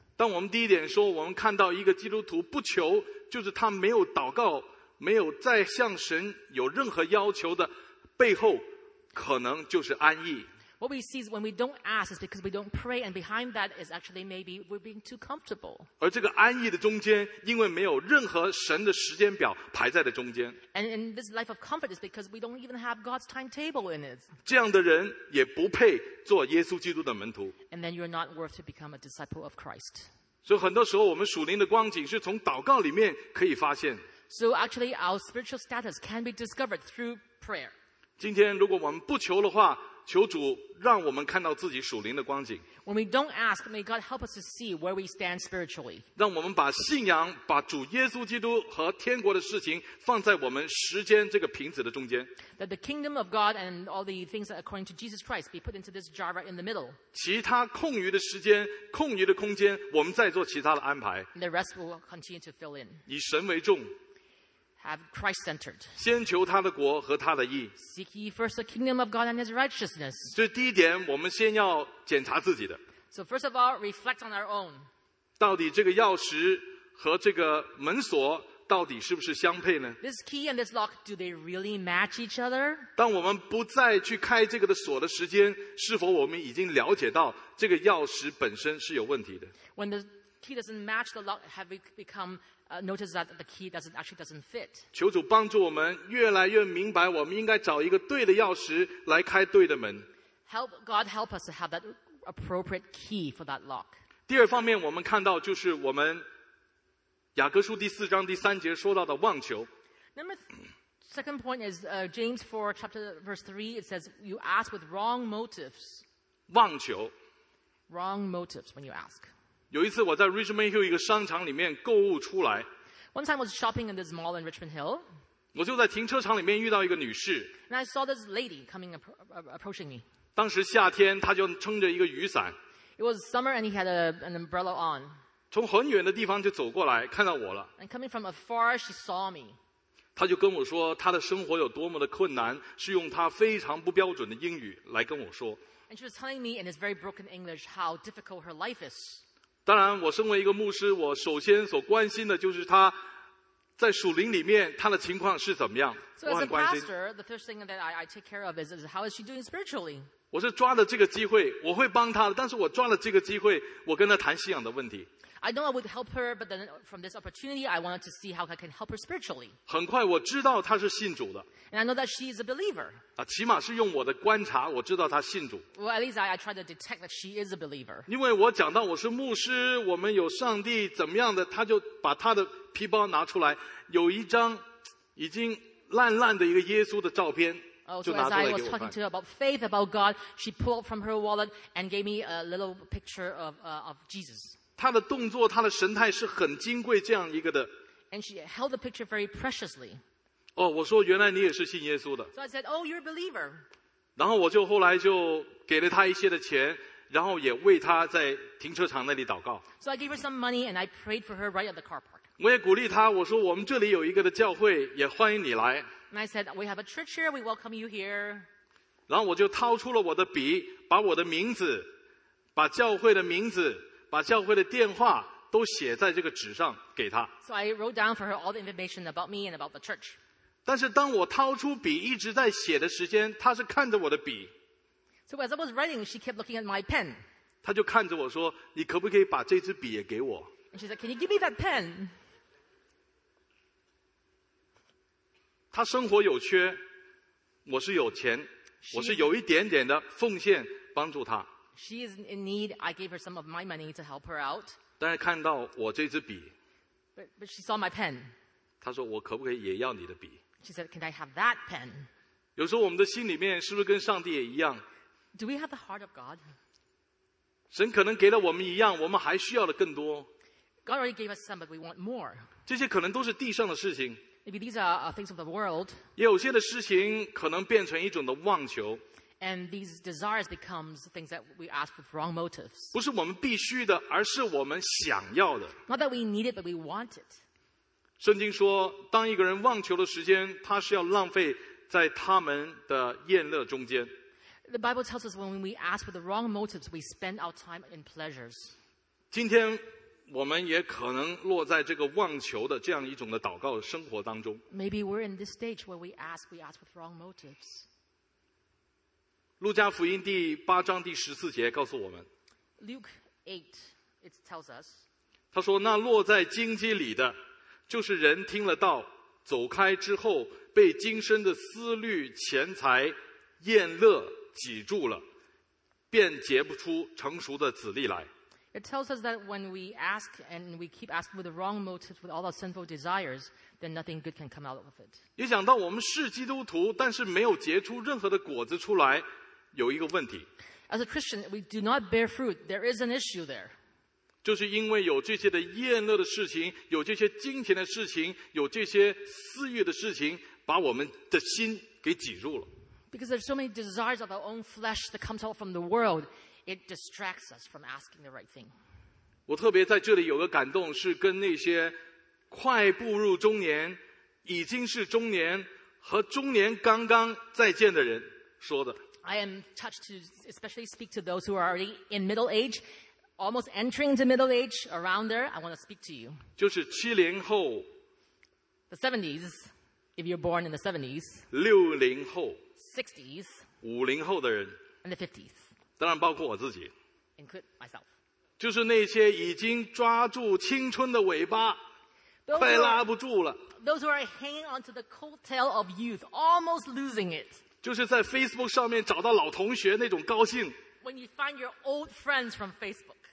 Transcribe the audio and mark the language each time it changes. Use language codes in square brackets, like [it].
[zh] 但我们第一点说，我们看到一个基督徒不求，就是他没有祷告，没有再向神有任何要求的背后，可能就是安逸。 [en] What we see is when we don't ask is because we don't pray, and behind that is actually maybe we're being too comfortable. [zh] 而这个安逸的中间，因为没有任何神的时间表排在的中间。 [en] And in this life of comfort is because we don't even have God's timetable in it. [zh] 这样的人也不配做耶稣基督的门徒。 [en] And then you're not worth to become a disciple of Christ. [zh] 所以很多时候我们属灵的光景是从祷告里面可以发现。 [en] So actually our spiritual status can be discovered through prayer. [zh] 今天如果我们不求的话，求主让我们看到自己属灵的光景。 [en] When we don't ask, may God help us to see where we stand spiritually. [zh] 让我们把信仰、把主耶稣基督和天国的事情放在我们时间这个瓶子的中间。 [en] That the kingdom of God and all the things that according to Jesus Christ be put into this jar right in the middle. [zh] 其他空余的时间、空余的空间，我们再做其他的安排。 [en] The rest will continue to fill in. [zh] 以神为重。 [en] Have Christ-centered. [zh] 先求他的国和他的义。 [en] Seek ye first the kingdom of God and His righteousness. [zh] 这第一点，我们先要检查自己的。 [en] So first of all, reflect on our own. [zh] 到底这个钥匙和这个门锁到底是不是相配呢？ [en] This key and this lock, do they really match each other? [zh] 当我们不再去开这个的锁的时间，是否我们已经了解到这个钥匙本身是有问题的？ [en] When the key doesn't match the lock, have we become notice that the key actually doesn't fit. [zh] 求主帮助我们越来越明白，我们应该找一个对的钥匙来开对的门。 [en] Help God help us to have that appropriate key for that lock. [zh] 第二方面，我们看到就是我们雅各书第四章第三节说到的妄求。 [en] Second point is James 4 chapter verse 3. It says you ask with wrong motives. [zh] 妄求。 [en] Wrong motives when you ask. [zh] 有一次我在 Richmond Hill 一个商场里面购物出来。 [en] One time I was shopping in this mall in Richmond Hill. [zh] 我就在停车场里面遇到一个女士。 [en] And I saw this lady coming approaching me. [zh] 当时夏天，她就撑着一个雨伞。 [en] It was summer and he had an umbrella on. [zh] 从很远的地方就走过来，看到我了。 [en] And coming from afar, she saw me. [zh] 她就跟我说她的生活有多么的困难，是用她非常不标准的英语来跟我说。 [en] And she was telling me in this very broken English how difficult her life is. [zh] 当然我身为一个牧师，我首先所关心的就是他在属灵里面他的情况是怎么样。 [en] So as a pastor, the first thing that I take care of is how is she doing spiritually? [zh] 我是抓了这个机会，我会帮他的，但是我抓了这个机会，我跟他谈信仰的问题。 [en] I know I would help her, but then from this opportunity, I wanted to see how I can help her spiritually. [zh] 很快我知道他是信主的。 [en] And I know that she is a believer. [zh] 起码是用我的观察，我知道他信主。 [en] Well, at least I try to detect that she is a believer. [zh] 因为我讲到我是牧师，我们有上帝怎么样的，他就把他的皮包拿出来，有一张已经烂烂的一个耶稣的照片。 [en] So as I was talking to her about faith, about God, she pulled up from her wallet and gave me a little picture of Jesus. [zh] 她的动作，她的神态是很金贵这样一个的。 [en] And she held the picture very preciously. [zh] 哦，我说原来你也是信耶稣的。 [en] So I said, oh, you're a believer. [zh] 然后我就后来就给了她一些的钱，然后也为她在停车场那里祷告。 [en] So I gave her some money and I prayed for her right at the car park. [zh] 我也鼓励她，我说我们这里有一个的教会，也欢迎你来。 [en] And I said, we have a church here, we welcome you here. [zh] 然后我就掏出了我的笔，把我的名字，把教会的名字，把教会的电话都写在这个纸上给她。 [en] So I wrote down for her all the information about me and about the church. [zh] 但是当我掏出笔一直在写的时间，她是看着我的笔。 [en] So as I was writing, she kept looking at my pen. [zh] 她就看着我说，你可不可以把这支笔也给我？ [en] And she said, can you give me that pen? [zh] 他生活有缺，我是有钱，我是有一点点的奉献帮助他。 [en] She is in need. I gave her some of my money to help her out. [zh] 但是看到我这支笔 [en] but she saw my pen. [zh] 他说我可不可以也要你的笔？ [en] She said, "Can I have that pen?" [zh] 有时候我们的心里面是不是跟上帝也一样？ [en] Do we have the heart of God? [zh] 神可能给了我们一样，我们还需要的更多。 [en] God already gave us some, but we want more. [zh] 这些可能都是地上的事情。 [en] Maybe these are things of the world. [zh] 也有些的事情可能变成一种的妄求。 [en] And these desires become things that we ask with wrong motives. [zh] 不是我们必须的，而是我们想要的。 [en] Not that we need it, but we want it. [zh] 圣经说，当一个人妄求的时间，他是要浪费在他们的宴乐中间。 [en] The Bible tells us when we ask with the wrong motives, we spend our time in pleasures. [zh] 今天我们也可能落在这个妄求的这样一种的祷告生活当中。 [en] Maybe we're in this stage where we ask with wrong motives. [zh] 路加福音第八章第十四节告诉我们。 [en] Luke 8, it tells us. [zh] 他说那落在荆棘里的就是人听了道走开之后被今生的思虑钱财宴乐挤住了便结不出成熟的籽粒来。 [en] It tells us that when we ask and we keep asking with the wrong motives, with all the sinful desires, then nothing good can come out of it. [zh] 也讲到我们是基督徒，但是没有结出任何的果子出来，有一个问题。 [en] As a Christian, we do not bear fruit. There is an issue there. [zh] 就是因为有这些的厌乐的事情，有这些金钱的事情，有这些私欲的事情，把我们的心给挤住了。 [en] Because there's so many desires of our own flesh that comes out from the world. It distracts us from asking the right thing. [zh] 我特别在这里有个感动，是跟那些快步入中年、已经是中年和中年刚刚再见的人说的。 [en] I am touched to especially speak to those who are already in middle age, almost entering into middle age around there. I want to speak to you. [zh] 就是七零后。 [en] The 70s, if you're born in the 70s. [zh] 六零后。 [en] 60s. [zh] 五零后的人。 [en] And the 50s. [zh] 当然包括我自己 [en] Include myself. [zh] 就是那些已经抓住青春的尾巴 [en] those [zh] 快拉不住了 [en] those who are hanging onto the coattail of youth almost losing it [zh] 就是在 Facebook 上面找到老同学那种高兴 [en] when you find your old friends from Facebook